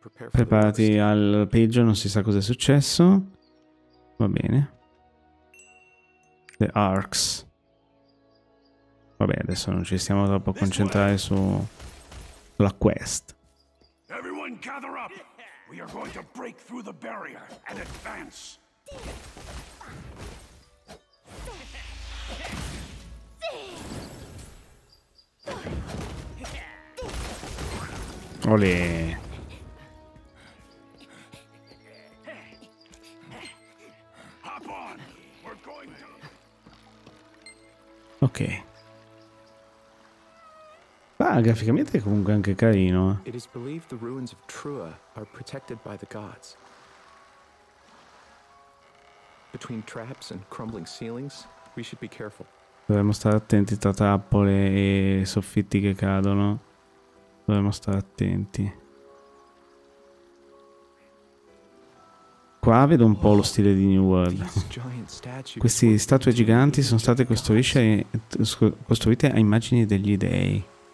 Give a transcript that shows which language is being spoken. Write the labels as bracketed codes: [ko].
[it] Preparati al peggio, non si sa cosa è successo. Va bene. The Arcs. Vabbè, adesso non ci stiamo troppo a concentrare sulla quest. [en] Everyone gather up. We are going to break through the barrier and advance. Olè. Ok. [it] Ma graficamente è comunque anche carino. [en] It is believed the ruins of Trua are protected by the gods. Between traps and crumbling ceilings, we should be careful. [it] Dovremmo stare attenti tra trappole e soffitti che cadono. Dovremmo stare attenti. Qua vedo un po' lo stile di New World. Queste statue giganti sono state costruite a immagini degli dei.